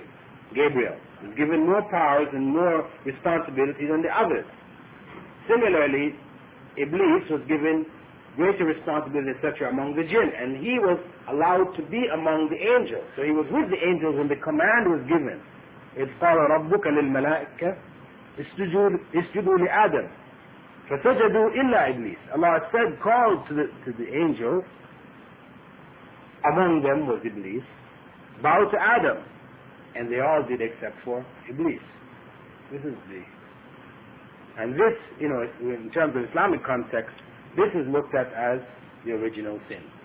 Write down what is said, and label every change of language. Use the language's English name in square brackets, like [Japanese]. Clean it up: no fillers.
[English] Like Gabriel. He's given more powers and more responsibility than the others. Similarly, Iblis was given greater responsibility, etc., among the jinn. And he was allowed to be among the angels. So he was with the angels when the command was given. It's called [Arabic] رَبُّكَ لِلْمَلَائِكَ اسْجُدُوا لِآدَمْ فَسَجَدُوا إِلَّا إِبْلِيسِ. [English] Allah said, called to the angels, among them was Iblis, bow to Adam, and they all did except for Iblis. This is the... And this, you know, in terms of Islamic context, this is looked at as the original sin.